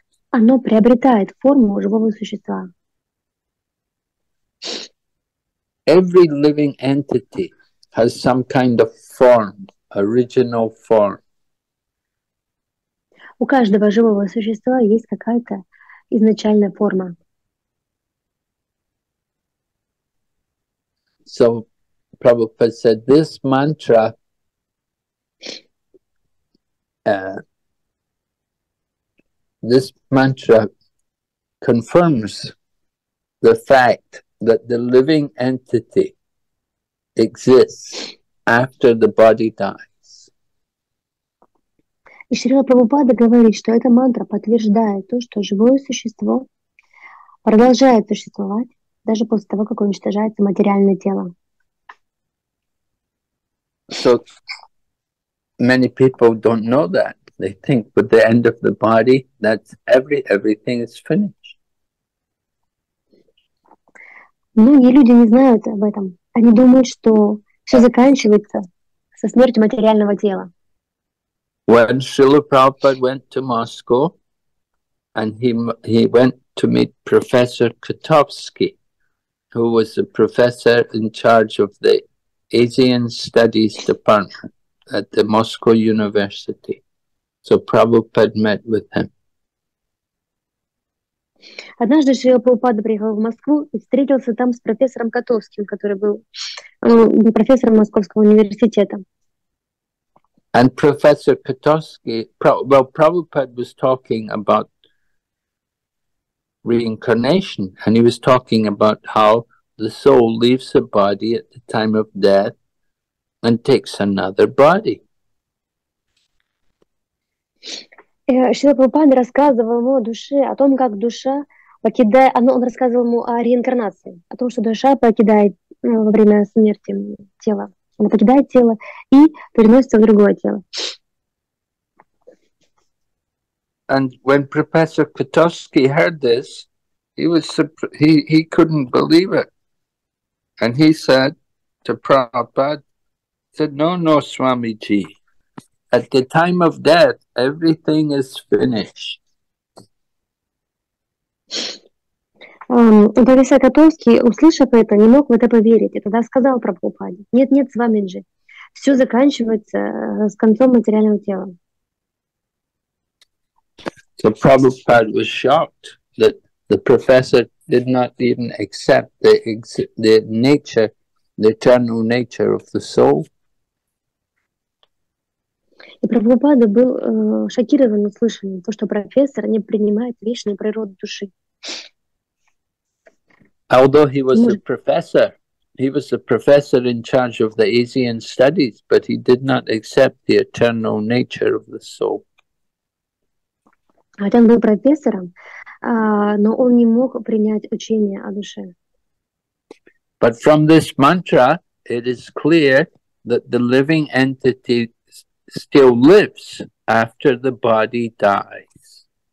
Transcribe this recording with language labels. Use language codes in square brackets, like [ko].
[ru] Оно приобретает форму живого существа. [en] Every living entity has some kind of form, original form. [ru] У каждого живого существа есть какая-то изначальная форма. [en] So Prabhupada said this mantra confirms the fact that the living entity exists after the body dies. [ru] И Шрила Прабхупада говорит, что эта мантра подтверждает то, что живое существо продолжает существовать даже после того, как уничтожается материальное тело. [en] So many people don't know that. They think with the end of the body, that's everything is finished. [ru] Многие люди не знают об этом. Они думают, что все заканчивается со смертью материального тела. [en] When Srila Prabhupada went to Moscow, and he went to meet Professor Kotovsky, who was the professor in charge of the Asian Studies Department at the Moscow University. So Prabhupada met with him. [ru] Однажды Шрила Прабхупада приехал в Москву и встретился там с профессором Котовским, который был профессором Московского университета. [en] And Professor Kotovsky, Prabhupada was talking about reincarnation, and he was talking about how the soul leaves the body at the time of death and takes another body. [ru] Шрила Прабхупада рассказывал ему о душе, о том, как душа покидает, он рассказывал ему о реинкарнации, о том, что душа покидает во время смерти тело. Она покидает тело и переносится в другое тело. [en] And when Professor Kotovsky heard this, he couldn't believe it. And he said to Prabhupada, said, no, Swamiji, at the time of death, everything is finished. [ru] Профессор Котовский, услышав это, не мог в это поверить. И тогда сказал Прабхупаде, нет, Свамиджи, все заканчивается с концом материального тела. [en] So Prabhupada was shocked that the professor did not even accept the nature, the eternal nature of the soul. [ru] И Прабхупада был шокирован услышанным, то, что профессор не принимает вечную природу души. [en] Although he was a professor, in charge of the Asian studies, but he did not accept the eternal nature of the soul. [ru] Хотя он был профессором, но он не мог принять учение о душе. [en] But from this mantra, it is clear that the living entity still lives after the body dies.